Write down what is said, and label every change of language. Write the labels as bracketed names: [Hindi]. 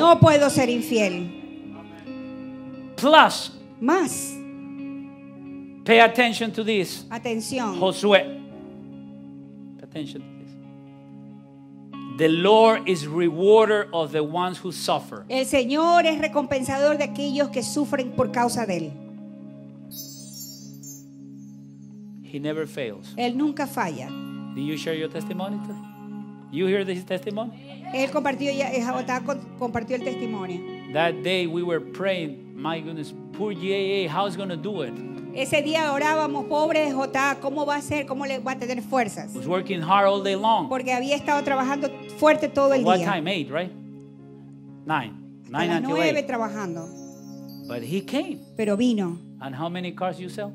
[Spanish] No puedo ser infiel. [English] Plus. [Spanish] Más. [English] Pay attention to this. [Spanish] Atención. [English] Josué. Pay attention to this. The Lord is rewarder of the ones who suffer. [Spanish] El Señor es recompensador de aquellos que sufren por causa de él. [English] He never fails. [Spanish] Él nunca falla. [English] Do you share your testimony? You hear this testimony? [Spanish] Él compartió ya, compartió el testimonio. [English] That day we were praying, my goodness, poor JA, how is going to do it? [Spanish] Ese día orábamos, pobre JA, ¿cómo va a ser? ¿Cómo le va a tener fuerzas? [English] Was working hard all day long. [Spanish] Porque había estado trabajando fuerte todo el [English] what [Spanish] día. [English] What time? 8, right? 9. [Spanish] Hasta 9 [English] until 8. [Spanish] Trabajando. [English] But he came. [Spanish] Pero vino. [English] And how many cars you sell?